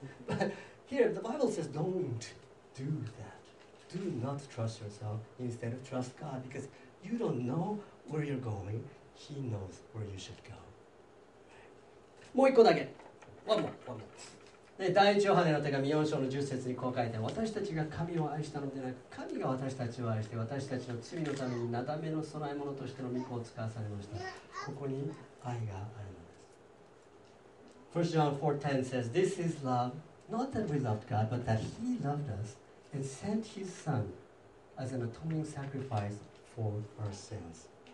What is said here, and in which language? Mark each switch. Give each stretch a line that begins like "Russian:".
English: But here the Bible says don't do that, do not trust yourself, instead of trust God, because you don't know where you're going, he knows where you should go.
Japanese: もう一個だけ、
English: One more.
Japanese: 第一ヨハネの手紙4章の10節にこう書いて、私たちが神を愛したのでなく、神が私たちを愛して私たちの罪のためになだめの備え物としての御子を使わされました。ここに愛があるのです。
English: 1 John 4:10 says, This is love, not that we loved God, but that he loved us and sent his son as an atoning sacrifice for our sins.